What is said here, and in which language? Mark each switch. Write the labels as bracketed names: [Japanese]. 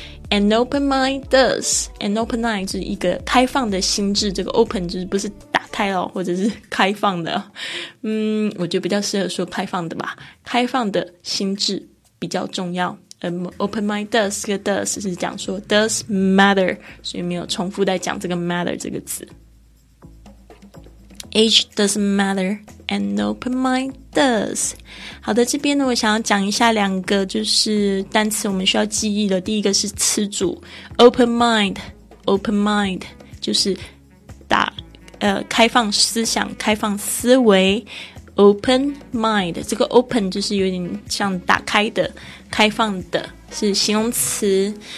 [English] An open mind does， [Chinese] An open mind 是一个开放的心智，这个 open 就是不是打开了或者是开放的，我觉得比较适合说开放的吧，开放的心智比较重要。 [English] Open mind does， [Chinese] 这个 does 是讲说 [English] does matter， [Chinese] 所以没有重复在讲这个 matter 这个词。 [English] Age doesn't matter, An open mind does。 [Chinese] 好的，这边呢我想要讲一下两个就是单词我们需要记忆的，第一个是词组 open mind 就是打开放思想，开放思维， open mind， 这个 open 就是有点像打开的，开放的，是形容词。